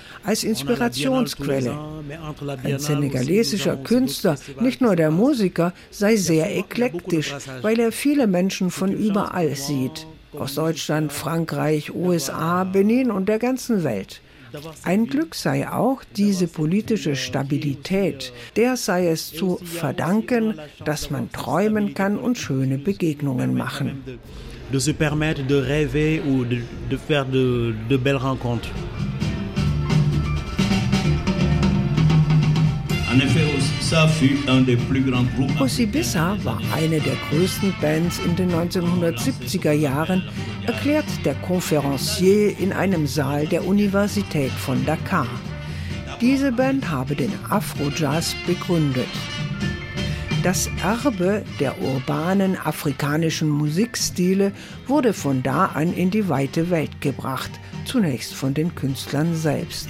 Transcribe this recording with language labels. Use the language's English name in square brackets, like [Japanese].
[German] Als Inspirationsquelle. Ein senegalesischer Künstler, nicht nur der Musiker, sei sehr eklektisch, weil er viele Menschen von überall sieht. Aus Deutschland, Frankreich, USA, Benin und der ganzen Welt. Ein Glück sei auch diese politische Stabilität. Der sei es zu verdanken, dass man träumen kann und schöne Begegnungen machen. [French] De se permettre de rêver ou de faire de belles rencontres. En effet, ça fut un des plus grands groupes. [German] Ossi Bissa war eine der größten Bands in den 1970er Jahren, erklärt der Conférencier in einem Saal der Universität von Dakar. Diese Band habe den Afro-Jazz begründet. Das Erbe der urbanen afrikanischen Musikstile wurde von da an in die weite Welt gebracht, zunächst von den Künstlern selbst.